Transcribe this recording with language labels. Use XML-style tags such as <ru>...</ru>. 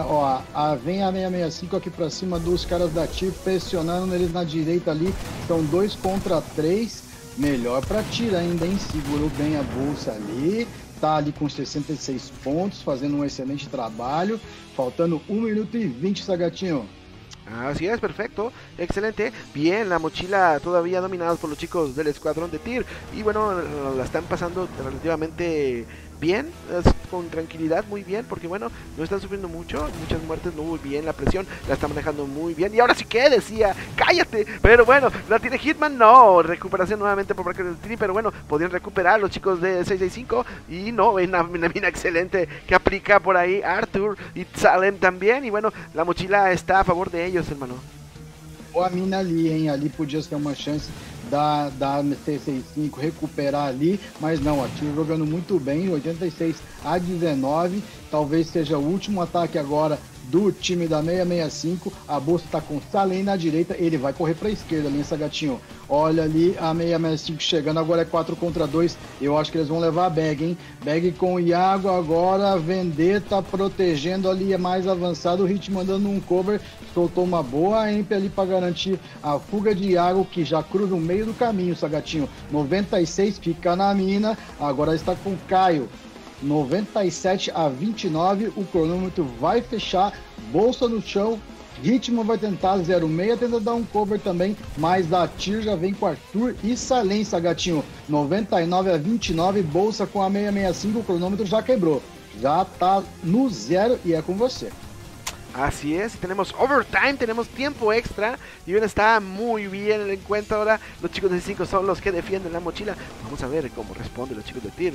<pt>Ó, vem a 665 aqui pra cima dos caras da Tyr, pressionando eles na direita ali. Então 2-3, melhor pra Tyr ainda, hein? Segurou bem a bolsa ali, tá ali com 66 pontos, fazendo um excelente trabalho. Faltando 1 minuto e 20, Sagatinho.</pt> <es>Así es, perfecto, excelente. Bien, la mochila todavía dominada por los chicos del escuadrón de Tyr. Y bueno, la están pasando relativamente bien, con tranquilidad, muy bien, porque bueno, no están sufriendo mucho, muchas muertes, muy bien, la presión la están manejando muy bien. Y ahora sí que decía, cállate, pero bueno, la tiene Hitman, no, recuperación nuevamente por parte del Tyr, pero bueno, podrían recuperar los chicos de 665. Y no, una mina excelente que aplica por ahí Arthur y Salem también. Y bueno, la mochila está a favor de ellos, hermano.</es> <pt>O a mina ali, hein? Ali podia ser uma chance da 65 recuperar ali, mas não, a Tyr jogando muito bem, 86-19, talvez seja o último ataque agora do time da 665. A bolsa tá com Salem na direita, ele vai correr pra esquerda, Lença Gatinho. Olha ali a 665 chegando, agora é 4 contra 2. Eu acho que eles vão levar a bag, hein? Bag com o Iago agora, Vendetta protegendo ali, é mais avançado. O Hit mandando um cover, soltou uma boa emp ali pra garantir a fuga de Iago, que já cruza o meio do caminho, Sagatinho. 96 fica na mina, agora está com o Caio. 97 a 29, o cronômetro vai fechar, bolsa no chão. Ritmo vai tentar, 06 tenta dar um cover também, mas da Tir já vem com Arthur e Salen, Sagatinho. 99 a 29, bolsa com a 665, o cronômetro já quebrou. Já tá no zero e é com você.</pt> <es>Así es, tenemos overtime, tenemos tiempo extra. Y bien, está muy bien el encuentro ahora. Los chicos de 5 son los que defienden la mochila. Vamos a ver cómo responden los chicos de Tir.</es>